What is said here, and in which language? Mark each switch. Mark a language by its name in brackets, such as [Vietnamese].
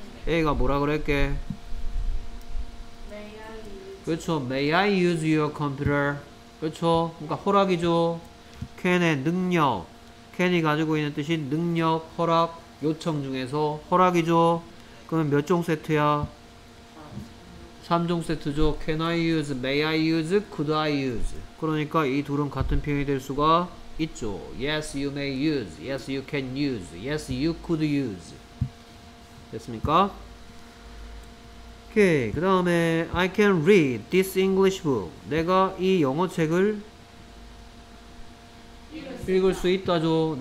[Korean] A가 뭐라 그랬게? [English] May I use your computer? [Korean] 그렇죠. 그러니까 허락이죠. Can의 능력, can이 가지고 있는 뜻이 능력, 허락, 요청 중에서 허락이죠. 그러면 몇 종 세트야? 3종 세트죠. [English] Can I use, may I use, could I use. [Korean] 그러니까 이 둘은 같은 표현이 될 수가 있죠. [English] Yes, you may use. Yes, you can use. Yes, you could use. [Korean] 됐습니까? 오케이. 그 다음에 [English] I can read this English book. [Korean] 내가 이 영어 책을 읽을 수 있다죠.